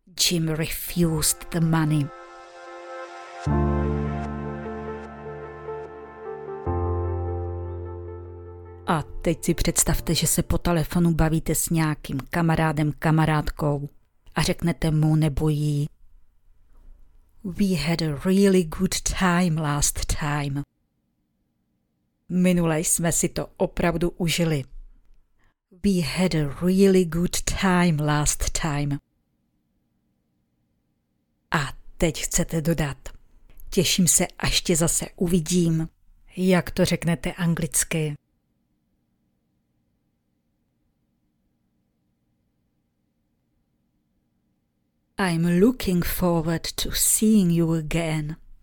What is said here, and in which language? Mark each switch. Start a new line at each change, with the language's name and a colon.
English: Jim refused the money.
Czech: A teď si představte, že se po telefonu bavíte s nějakým kamarádem, kamarádkou a řeknete mu nebo jí.
English: We had a really good time last time.
Czech: Minule jsme si to opravdu užili.
English: We had a really good time last time.
Czech: A teď chcete dodat. Těším se, až tě zase uvidím. Jak to řeknete anglicky?
English: I'm looking forward to seeing you again.